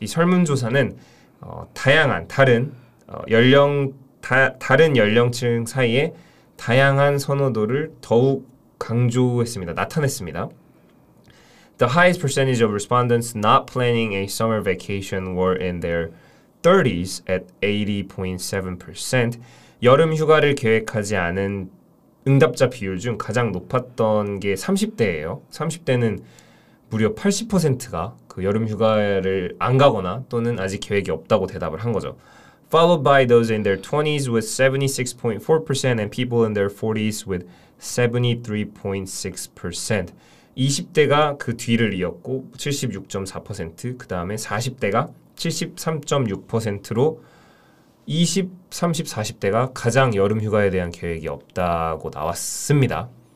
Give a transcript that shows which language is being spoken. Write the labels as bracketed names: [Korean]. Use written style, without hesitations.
[Korean] 이 설문조사는 다른 연령층 사이에 다양한 선호도를 더욱 강조했습니다. 나타냈습니다. [English] The highest percentage of respondents not planning a summer vacation were in their 30s at 80.7%. [Korean] 여름 휴가를 계획하지 않은 응답자 비율 중 가장 높았던 게 30대예요. 30대는 무려 80%가 그 여름 휴가를 안 가거나 또는 아직 계획이 없다고 대답을 한 거죠. [English] Followed by those in their 20s with 76.4% and people in their 40s with 73.6%. [Korean] 20대가 그 뒤를 이었고 76.4%, 그 다음에 40대가 73.6%로 20, 30, 40대가 가장 여름휴가에 대한 계획이 없다고 나왔습니다.